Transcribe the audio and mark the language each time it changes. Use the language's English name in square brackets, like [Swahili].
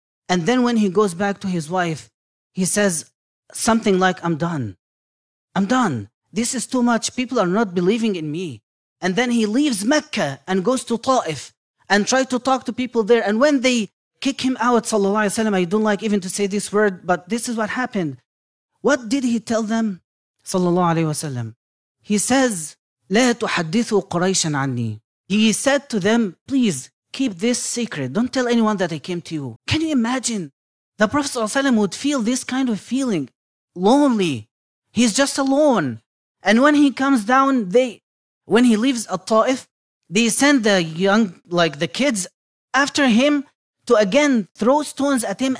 [English] And then when he goes back to his wife, he says something like, I'm done. I'm done. This is too much. People are not believing in me. And then he leaves Mecca and goes to Ta'if and try to talk to people there. And when they kick him out, sallallahu alaihi wasallam, I don't like even to say this word, but this is what happened. What did he tell them, sallallahu alaihi wasallam? He says, [Arabic] لا تحدثوا قريشا عني. [English] He said to them, please keep this secret. Don't tell anyone that I came to you. Can you imagine? The Prophet ﷺ would feel this kind of feeling, lonely. He's just alone. And when he comes down, when he leaves At-Ta'if, they send the young, like the kids, after him to again throw stones at him.